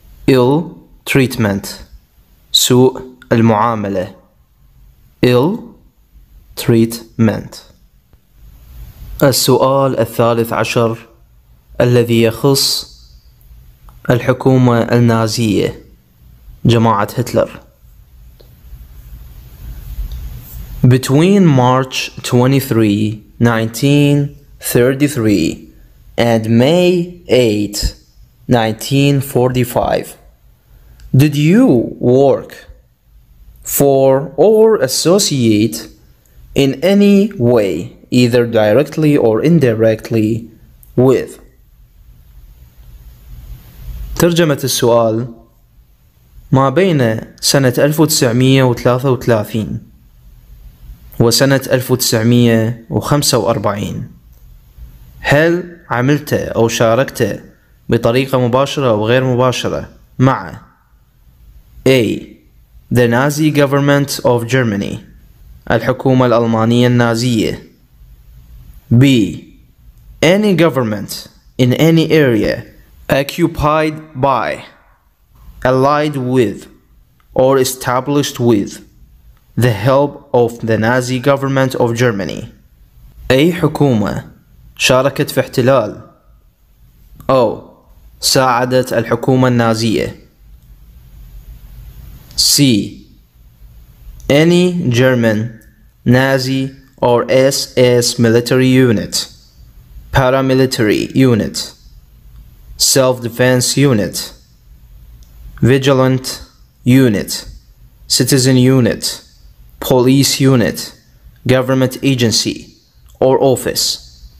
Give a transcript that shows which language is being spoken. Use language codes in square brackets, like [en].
[en] ill treatment [ar] سوء المعاملة. [en] ill treatment. [ar] السؤال الثالث عشر الذي يخص الحكومة النازية جماعة هتلر. [en] Between March 23, 1933 and May 8, 1945, did you work for or associate in any way, either directly or indirectly, with? [ar] ترجمة السؤال: ما بين سنة 1933 وسنة 1945 هل عملت أو شاركت بطريقة مباشرة أو غير مباشرة مع A [en] The Nazi government of Germany. [ar] الحكومة الألمانية النازية. [en] B. Any government in any area occupied by, allied with, or established with the help of the Nazi government of Germany. [ar] أي حكومة شاركت في احتلال أو ساعدت الحكومة النازية. [en] C. Any German, Nazi, or SS military unit, paramilitary unit, self-defense unit, vigilant unit, citizen unit, police unit, government agency, or office.